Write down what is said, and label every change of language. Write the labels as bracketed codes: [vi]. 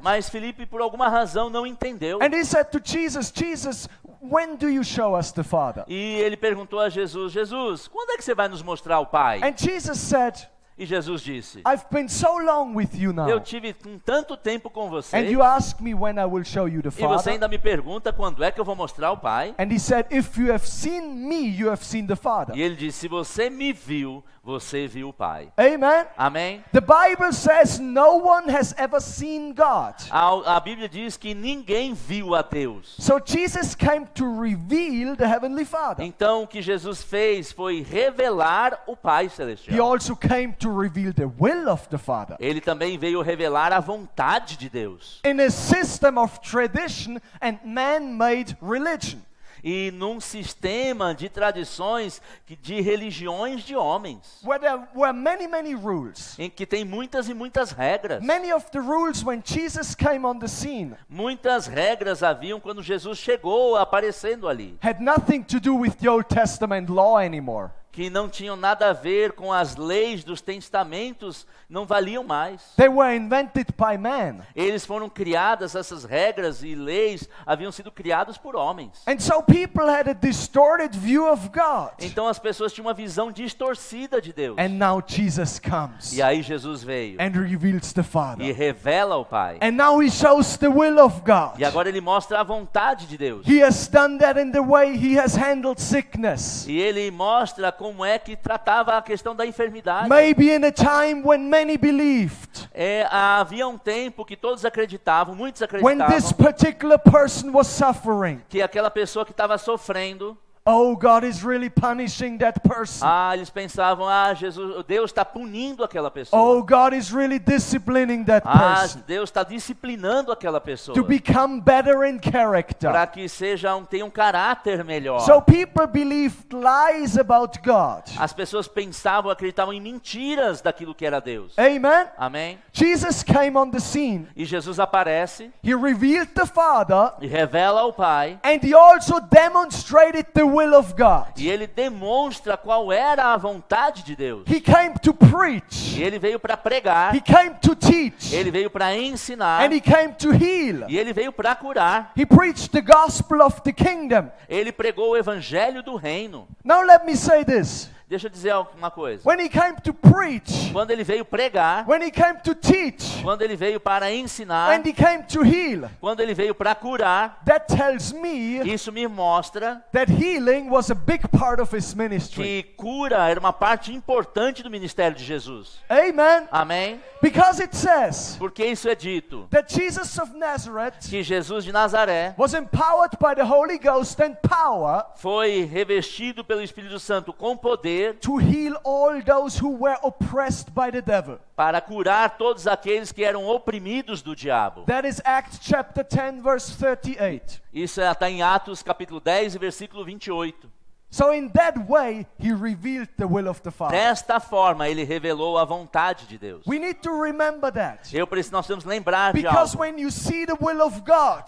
[pt] Mas Filipe, por alguma razão, não entendeu. [en] And he said to Jesus, Jesus, when do you show us the Father? [pt] E ele perguntou a Jesus, Jesus, quando é que você vai nos mostrar o Pai? [en] And Jesus said, [pt] e Jesus disse, [en] I've been so long with you now. [pt] Eu tive tanto tempo com você. [en] And you ask me when I will show you the Father. [pt] E você ainda me pergunta quando é que eu vou mostrar o Pai? [en] And he said, if you have seen me, you have seen the Father. [pt] E ele disse, se você me viu, você viu o Pai. [en] Amen. [pt] Amém. [en] The Bible says no one has ever seen God. [pt] A Bíblia diz que ninguém viu a Deus. [en] So Jesus came to reveal the heavenly Father. [pt] Então o que Jesus fez foi revelar o Pai celestial. [en] He also came to reveal the will of the Father. [pt] Ele também veio revelar a vontade de Deus. [en] In a system of tradition and man-made religion. [pt] E num sistema de tradições, de religiões de homens. [en] Where there were many, many rules. [pt] Em que tem muitas e muitas regras. [en] Many of the rules when Jesus came on the scene. [pt] Muitas regras haviam quando Jesus chegou aparecendo ali. [en] Had nothing to do with the Old Testament law anymore. [pt] que não tinham nada a ver com as leis dos testamentos, não valiam mais. [en] They were invented by man. [pt] Eles foram criadas, essas regras e leis haviam sido criadas por homens. [en] And so people had a distorted view of God. [pt] Então as pessoas tinham uma visão distorcida de Deus. [en] And now Jesus comes. [pt] E aí Jesus veio. [en] And reveals the Father. [pt] E revela o Pai. [en] And now he shows the will of God. [pt] E agora ele mostra a vontade de Deus. [en] He has done that in the way he has handled sickness. [pt] E ele mostra como é que tratava a questão da enfermidade. [en] Maybe in a time when many believed. [pt] É, havia um tempo que todos acreditavam, muitos acreditavam. [en] When this particular person was suffering. [pt] Que aquela pessoa que estava sofrendo. [en] Oh, God is really punishing that person. [pt] Ah, eles pensavam, ah, Jesus, Deus está punindo aquela pessoa. [en] Oh, God is really disciplining that person. [pt] Ah, Deus está disciplinando aquela pessoa. [en] To become better in character. [pt] Para que seja tenha caráter melhor. [en] So people believed lies about God. [pt] As pessoas pensavam, acreditavam em mentiras daquilo que era Deus. [en] Amen. [pt] Amém. [en] Jesus came on the scene. [pt] E Jesus aparece. [en] He revealed the Father. [pt] E revela o Pai. [en] And he also demonstrated the will of God. [pt] E ele demonstra qual era a vontade de Deus. [en] He came to preach. [pt] E ele veio para pregar. [en] He came to teach. [pt] Ele veio para ensinar. [en] And he came to heal. [pt] E ele veio para curar. [en] He preached the gospel of the kingdom. [pt] Ele pregou o evangelho do reino. [en] Now let me say this. [pt] Deixa eu dizer uma coisa. [en] When he came to preach, [pt] quando ele veio pregar, [en] when he came to teach, [pt] quando ele veio para ensinar, [en] and he came to heal, [pt] quando ele veio para curar, [en] that tells me, [pt] isso me mostra, [en] that healing was a big part of his ministry. [pt] Que cura era uma parte importante do ministério de Jesus. [en] Amen. [pt] Amém. [en] Because it says, [pt] porque isso é dito, [en] that Jesus of Nazareth, [pt] que Jesus de Nazaré, [en] was empowered by the Holy Ghost and power, [pt] foi revestido pelo Espírito Santo com poder. [en] To heal all those who were oppressed by the devil. [pt] Para curar todos aqueles que eram oprimidos do diabo. [en] That is Acts chapter 10 verse 38. [pt] Isso está em Atos capítulo 10 e versículo 28. [en] So in that way he revealed the will of the Father. [pt] Desta forma ele revelou a vontade de Deus. [en] We need to remember that. [pt] Nós temos que lembrar de algo. [en] Because when you see the will of God.